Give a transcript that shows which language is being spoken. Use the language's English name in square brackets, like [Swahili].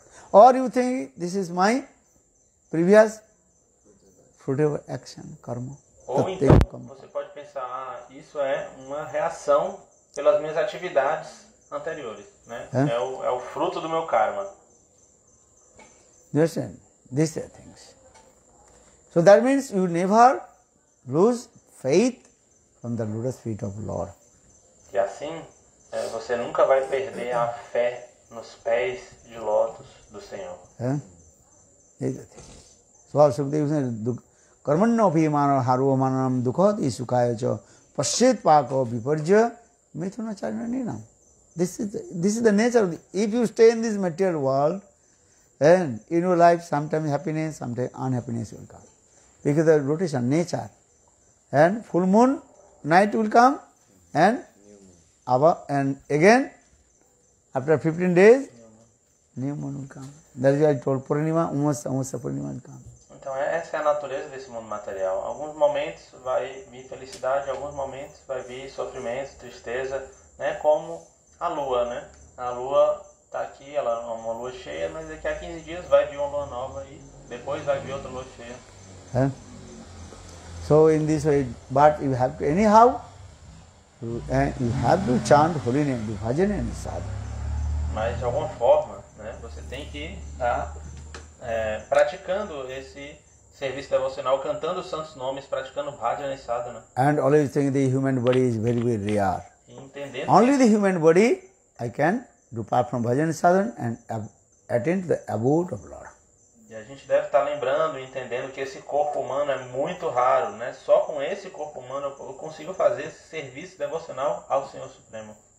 [English] Or you think this is my previous fruit of action, karma? [Portuguese] Ou então você pode pensar: isso é uma reação pelas minhas atividades anteriores, né? É o fruto do meu karma. [English] Listen, these are things. So that means you never lose faith from the lotus feet of Lord. [Portuguese] E assim, você nunca vai perder a fé nos pés de lótus do Senhor. [English] These are things. So all Sukadeva says, [Sanskrit] karmanno bhi mano haruva mananam dukhat isukhaya cha pashit pako viparjya. [English] This is the nature of the, if you stay in this material world, then in your life sometimes happiness, sometimes unhappiness will come. Because the rotation, nature. And full moon, night will come, and again, after 15 days, new moon will come. That is why I told Purnima, umasa Purnima will come. [Portuguese] Então essa é a natureza desse mundo material. Alguns momentos vai vir felicidade, alguns momentos vai vir sofrimento, tristeza, né? Como a lua, né? A lua está aqui, ela é uma lua cheia, mas daqui a 15 dias vai vir uma lua nova e depois vai vir outra lua cheia. [English] So in this way, but you have to anyhow, you have to chant holy name, the bhajan and sadhu. [Portuguese] Mas de alguma forma, né? Você tem que estar praticando esse serviço devocional, cantando santos nomes, praticando bhajana e sadhana. [English] And always think the human body is very, very rare. [Portuguese] Entendendo [English] only the human body, I can do perform bhajana e sadhana and attain the abode of Lord. [Portuguese] E a gente deve estar lembrando, entendendo que esse corpo humano é muito raro, né? Só com esse corpo humano eu consigo fazer esse serviço devocional ao Senhor Supremo.